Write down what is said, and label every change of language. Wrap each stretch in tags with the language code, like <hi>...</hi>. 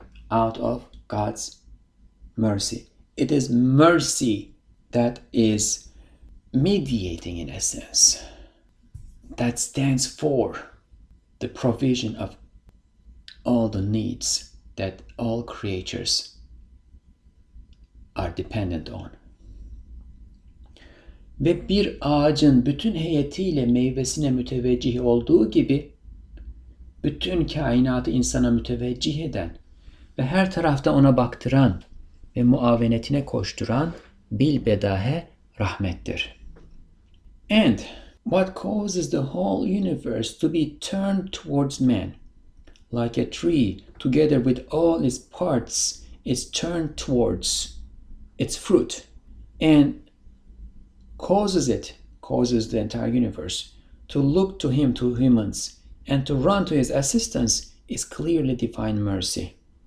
<en>Out of God's mercy. It is mercy that is mediating, in essence, that stands for the provision of all the needs that all creatures are dependent on.</en> <tr>Ve bir ağacın bütün heyetiyle meyvesine müteveccih olduğu gibi, bütün kainatı insana müteveccih eden ve her tarafta ona baktıran ve muavenetine koşturan bilbedahe rahmettir.</tr> <en>And what causes the whole universe to be turned towards man? Like a tree, together with all its parts, is turned towards its fruit. And causes the entire universe, to look to Him, to humans, and to run to His assistance, is clearly divine mercy.</en>